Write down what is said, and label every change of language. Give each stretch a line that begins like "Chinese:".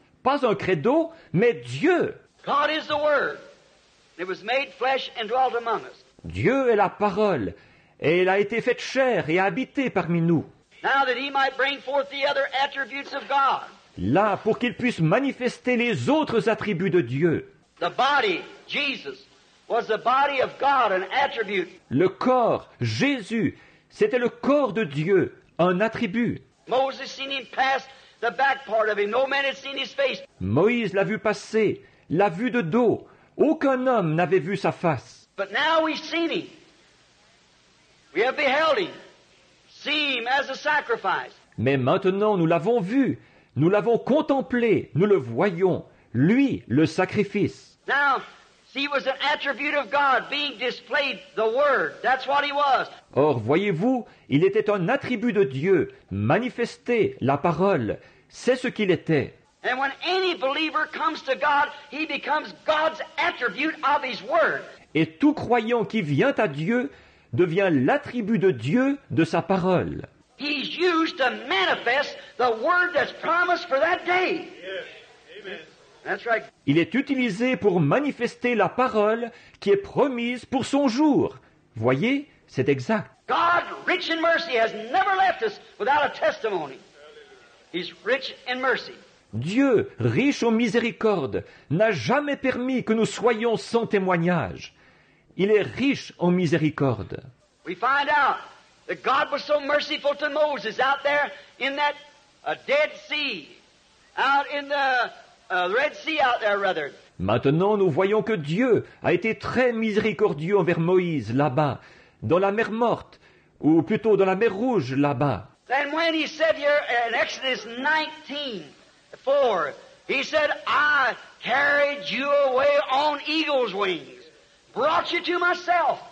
French: Pas un credo, mais Dieu.
English: God is the Word. It was made flesh and dwelt among us.
French: Dieu est la parole, et elle a été faite chair et habitée parmi nous.
English: Now that he might bring forth the other attributes of God.
French: Là, pour qu'il puisse manifester les autres attributs de Dieu.
English: The body, Jesus, was the body of God, an attribute.
French: Le corps, Jésus, c'était le corps de Dieu, un attribut.
English: Moses seen him pass the back part of him. No man had seen his face.
French: Moïse l'a vu passer, l'a vu de dos. Aucun homme n'avait vu sa face.
English: But now we've seen him. We have beheld him. See him as a sacrifice.
French: Mais maintenant, nous l'avons vu. Nous l'avons contemplé, nous le voyons, lui, le sacrifice.
English: Now, he was an attribute of God being displayed, the Word. That's what he was.
French: Or, voyez-vous, il était un attribut de Dieu, manifesté, la parole. C'est ce qu'il était.
English: And when any believer comes to God, he becomes God's attribute of his Word.
French: Et tout croyant qui vient à Dieu devient l'attribut de Dieu de sa parole.
English: He's used to manifest the word that's promised for that day. Yes. Amen. That's right.
French: Il est utilisé pour manifester la parole qui est promise pour son jour. Voyez, c'est exact.
English: God, rich in mercy, has never left us without a testimony. He's rich in mercy.
French: Dieu, riche en miséricorde, n'a jamais permis que nous soyons sans témoignage. Il est riche en miséricorde.
English: We find out that God was so merciful to Moses out there in that Dead Sea, out in the Red Sea out there, rather.
French: Maintenant, nous voyons que Dieu a été très miséricordieux envers Moïse là-bas, dans la mer morte, ou plutôt dans la mer rouge là-bas.
English: Then when he said here in Exodus 19:4, he said, I carried you away on eagle's wings, brought you to myself.